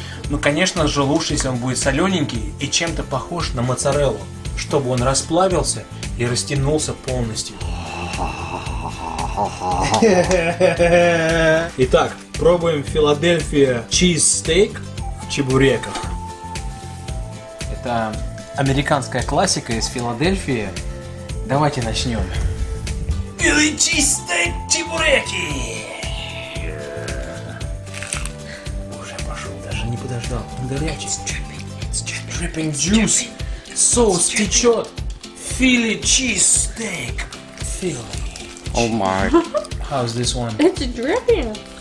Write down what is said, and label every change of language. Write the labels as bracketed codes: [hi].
[ru] Но, конечно же, лучше, если он будет солененький и чем-то похож на моцареллу, чтобы он расплавился и растянулся полностью. Итак, пробуем Филадельфия чизстейк. Чебуреков. Это американская классика из Филадельфии. Давайте начнем. [en] Philly cheesesteak чебуреки. [ru] Уже пошел, даже не подождал. Горячий. [en] It's dripping juice. [ru] Соус течет. [en] Philly cheesesteak. Philly. Oh my. How's this one? It's dripping.